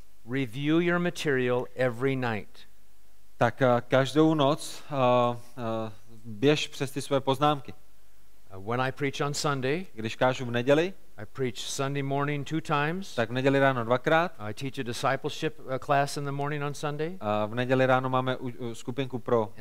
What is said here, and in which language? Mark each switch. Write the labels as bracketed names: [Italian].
[English] review your material every night. [Czech] Tak každou noc běž přes ty své poznámky. [English] When I preach on Sunday, [Czech] když kážu v neděli, [English] I preach Sunday morning two times. [Czech] Tak v neděli ráno dvakrát. [English] I teach a discipleship class in the morning on Sunday. [Czech] V neděli ráno máme skupinku pro učeníky.